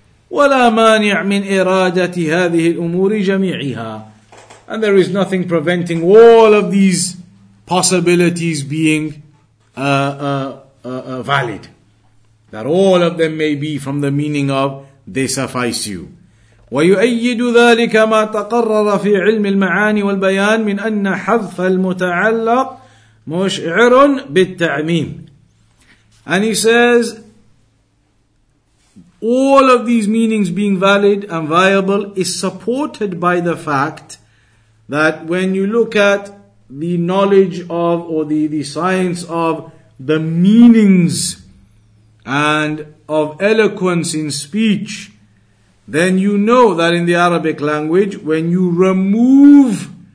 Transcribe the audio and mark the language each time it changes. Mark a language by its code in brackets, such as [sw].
[ar] ولا مانع من إرادة هذه الأمور جميعها, [en] and there is nothing preventing all of these possibilities being valid, that all of them may be from the meaning of they suffice you. [ar] ويؤيد ذلك ما تقرر في علم المعاني والبيان من أن حذف المتعلق مشعر بالتعميم. [en] And he says, all of these meanings being valid and viable is supported by the fact that when you look at the knowledge of, or the science of the meanings and of eloquence in speech, then you know that in the Arabic language, when you remove